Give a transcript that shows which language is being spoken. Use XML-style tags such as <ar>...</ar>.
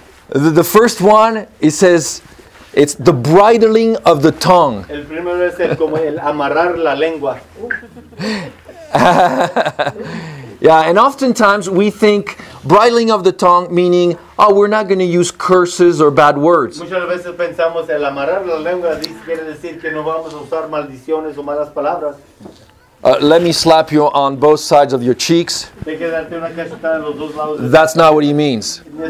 <en>The first one, it says, it's the bridling of the tongue.</en> <es>El primero es el como el amarrar la lengua.</es> <en>Yeah, and oftentimes we think bridling of the tongue meaning, oh, we're not going to use curses or bad words.</en> <es>Muchas veces pensamos el amarrar la lengua quiere decir que no vamos a usar maldiciones o malas palabras.</es> <en>Let me slap you on both sides of your cheeks. That's not what he means.</en>